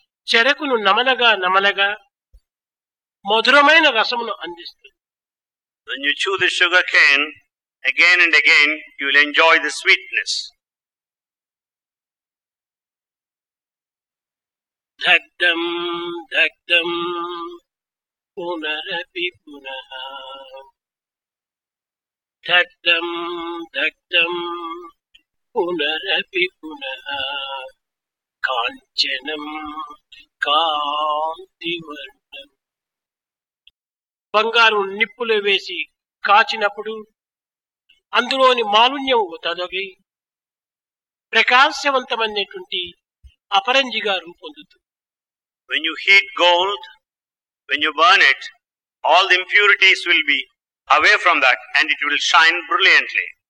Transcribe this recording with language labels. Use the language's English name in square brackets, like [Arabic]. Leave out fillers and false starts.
[Telugu] చెరకును నమలగా నమలగా మధురమైన రసమును అందిస్తుంది. [English] When you chew the sugar cane again and again, you will enjoy the sweetness. [Sanskrit] దగ్ధం దగ్ధం పునరపి పునః దగ్ధం దగ్ధం పునరపి పునః కాంచనం కాంతివర్ణం [Telugu] బంగారు నిప్పులు వేసి కాచినప్పుడు అందులోని మాలిన్యం తొలగి ప్రకాశవంతమైనటువంటి అపరంజిగా రూపొందుతుంది. [English] When you heat gold, when you burn it, all the impurities will be away from that and it will shine brilliantly.